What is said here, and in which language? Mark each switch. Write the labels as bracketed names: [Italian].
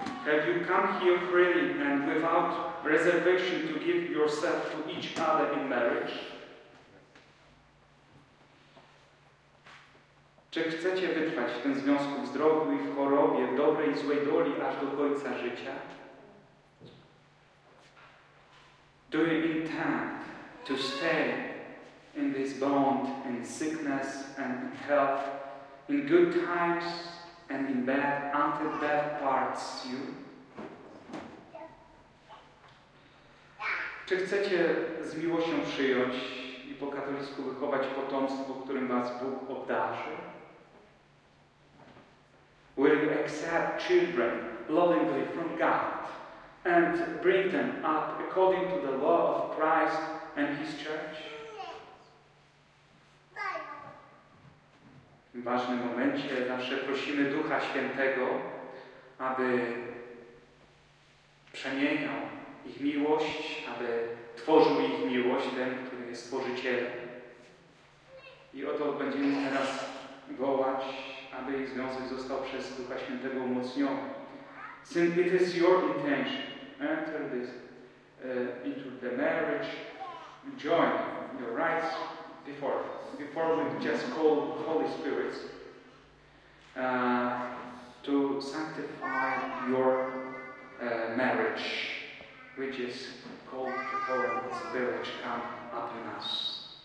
[English] Have you come here freely and without reservation to give yourself to each other in marriage? [Polish] Czy chcecie wytrwać w tym związku w zdrowiu i w chorobie, w dobrej i złej doli, aż do końca życia? [English] Do you intend to stay in this bond in sickness and in health, in good times and in bad, until death parts you? [Polish] Czy chcecie z miłością przyjąć i po katolicku wychować potomstwo, którym was Bóg obdarzy? [English] Will you accept children lovingly from God and bring them up according to the law of Christ and His Church? [Polish] W ważnym momencie zawsze prosimy Ducha Świętego, aby przemieniał ich miłość, aby tworzył ich miłość, ten, który jest Stworzycielem. I o to będziemy teraz wołać, aby ich związek został przez Ducha Świętego umocniony. [English] Since it is your intention, enter this into the marriage, join your rights before we just call Holy Spirit to sanctify your marriage, which is called the Holy Spirit come upon us.